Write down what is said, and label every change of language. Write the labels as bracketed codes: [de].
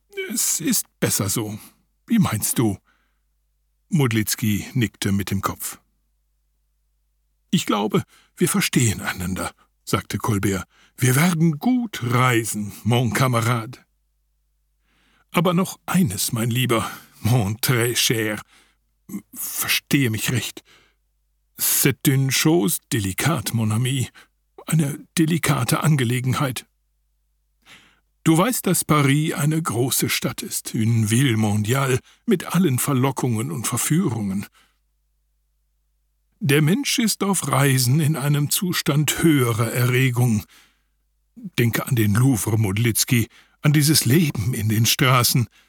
[de] Es ist besser so. Wie meinst du?« Modlitzki nickte mit dem Kopf. »Ich glaube, wir verstehen einander«, sagte Colbert. »Wir werden gut reisen, mon camarade.« »Aber noch eines, mein Lieber, mon très cher. Verstehe mich recht. [fr] C'est une chose délicate, mon ami. [de] Eine delikate Angelegenheit. Du weißt, dass Paris eine große Stadt ist, une ville mondiale, mit allen Verlockungen und Verführungen. Der Mensch ist auf Reisen in einem Zustand höherer Erregung. Denke an den Louvre, Modlitzki, an dieses Leben in den Straßen.